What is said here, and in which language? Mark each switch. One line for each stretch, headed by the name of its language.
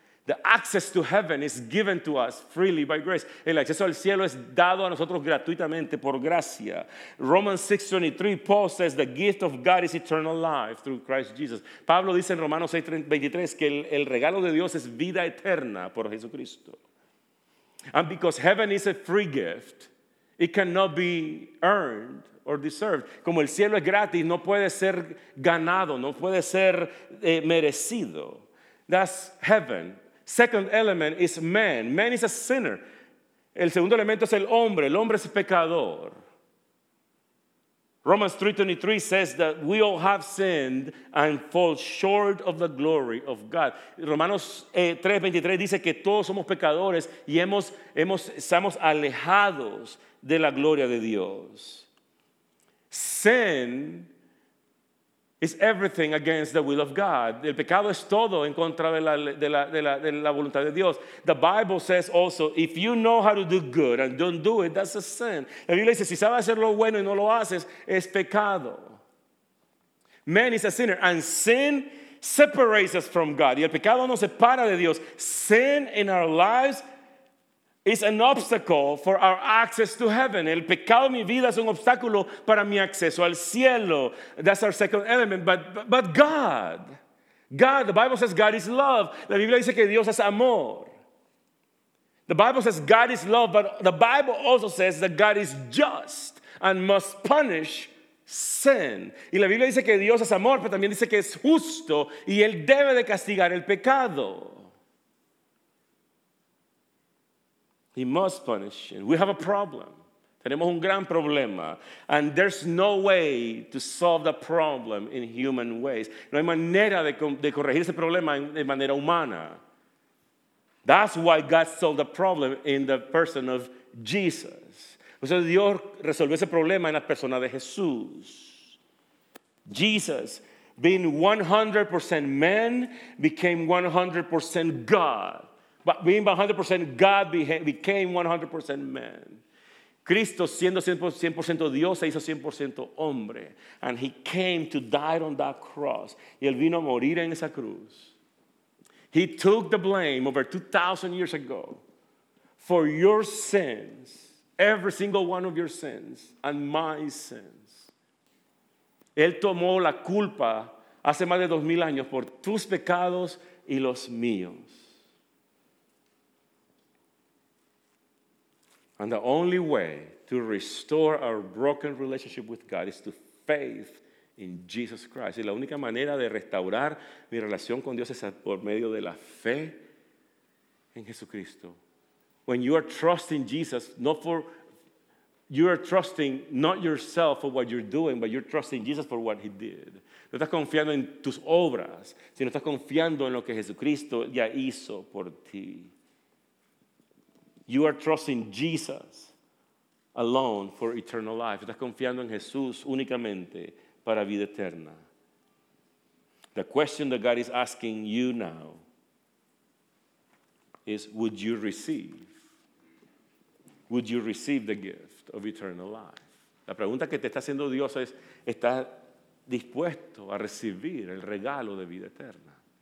English: The access to heaven is given to us freely by grace.
Spanish: El acceso al cielo es dado a nosotros gratuitamente por gracia.
English: Romans 6:23, Paul says, the gift of God is eternal life through Christ Jesus.
Spanish: Pablo dice en Romanos 6:23 que el regalo de Dios es vida eterna por Jesucristo.
English: And because heaven is a free gift, it cannot be earned or deserved.
Spanish: Como el cielo es gratis, no puede ser ganado, no puede ser merecido.
English: That's heaven. Second element is man. Man is a sinner.
Spanish: El segundo elemento es el hombre. El hombre es pecador.
English: Romans 3:23 says that we all have sinned and fall short of the glory of God.
Spanish: Romanos 3:23 dice que todos somos pecadores y estamos alejados de la gloria de Dios.
English: Sin is everything against the will of God.
Spanish: El pecado es todo en contra de la voluntad de Dios.
English: The Bible says also, if you know how to do good and don't do it, that's a sin.
Spanish: La Biblia dice, si sabes hacer lo bueno y no lo haces, es pecado.
English: Man is a sinner, and sin separates us from God.
Spanish: Y el pecado nos separa de Dios.
English: Sin in our lives is an obstacle for our access to heaven.
Spanish: El pecado en mi vida es un obstáculo para mi acceso al cielo.
English: That's our second element. But God, the Bible says God is love.
Spanish: La Biblia dice que Dios es amor.
English: The Bible says God is love, but the Bible also says that God is just and must punish sin.
Spanish: Y la Biblia dice que Dios es amor, pero también dice que es justo y Él debe de castigar el pecado.
English: He must punish it. We have a problem.
Spanish: Tenemos un gran problema.
English: And there's no way to solve the problem in human ways.
Spanish: No hay manera de corregir ese problema de manera humana.
English: That's why God solved the problem in the person of Jesus.
Spanish: O sea, Dios resolvió ese problema en la persona de Jesús.
English: Jesus, being 100% man, became 100% God. But being 100% God became 100% man.
Spanish: Cristo, siendo 100% Dios, se hizo 100% hombre.
English: And he came to die on that cross.
Spanish: Y él vino a morir en esa cruz.
English: He took the blame over 2,000 years ago for your sins, every single one of your sins, and my sins.
Spanish: Él tomó la culpa hace más de 2,000 años por tus pecados y los míos.
English: And the only way to restore our broken relationship with God is to faith in Jesus Christ.
Spanish: Y la única manera de restaurar mi relación con Dios es por medio de la fe en Jesucristo.
English: When you are trusting Jesus, you are trusting not yourself for what you're doing, but you're trusting Jesus for what he did.
Spanish: No estás confiando en tus obras, sino estás confiando en lo que Jesucristo ya hizo por ti.
English: You are trusting Jesus alone for eternal life.
Spanish: Estás confiando en Jesús únicamente para vida eterna.
English: The question that God is asking you now is, would you receive? Would you receive the gift of eternal life?
Spanish: La pregunta que te está haciendo Dios es, ¿estás dispuesto a recibir el regalo de vida eterna?